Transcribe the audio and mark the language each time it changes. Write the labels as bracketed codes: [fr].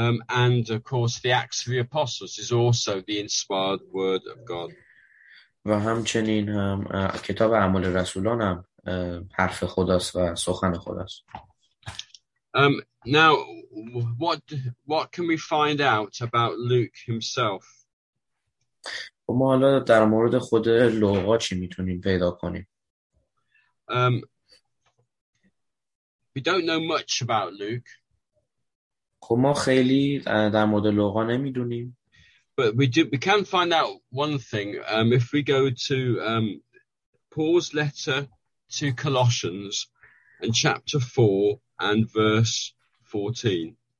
[en] And of course the Acts of the Apostles is also the inspired word of God. [fa] و همچنین هم کتاب اعمال رسولان هم حرف خداست و سخن خداست. [en] Now, what can we find out about Luke himself? [fa] ما حالا در مورد خود لوقا چی میتونیم پیدا کنیم؟ [en] We don't know much about Luke. [fa] خب ما خیلی در مورد لوقا نمیدونیم. [en] But we can find out one thing. If we go to Paul's letter to Colossians and chapter 4 and verse 14.